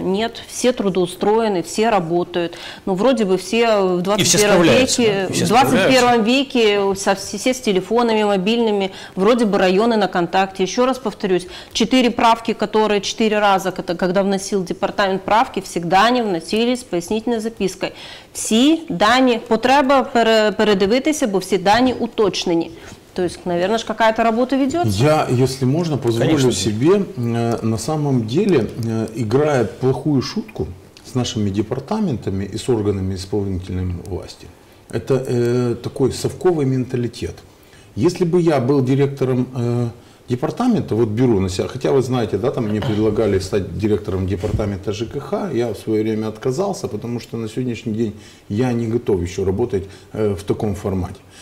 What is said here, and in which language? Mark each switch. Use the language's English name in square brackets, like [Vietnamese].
[Russian] Нет, все трудоустроены, все работают. Вроде бы все в 21 веке. Все с телефонами мобильными, вроде бы районы на контакте. Еще раз повторюсь, 4 правки, которые 4 раза, когда вносил департамент правки, всегда не вносились с пояснительной запиской. [Ukrainian] Всі дані, потреба передивитися, бо всі дані уточнені. [Russian] То есть, наверное, какая-то работа ведется. Я, если можно, позволю себе, на самом деле, играет плохую шутку с нашими департаментами и с органами исполнительной власти. Это такой совковый менталитет. Если бы я был директором департамента, вот бюро на себя, хотя вы знаете, да, там мне предлагали стать директором департамента ЖКХ, я в свое время отказался, потому что на сегодняшний день я не готов еще работать в таком формате.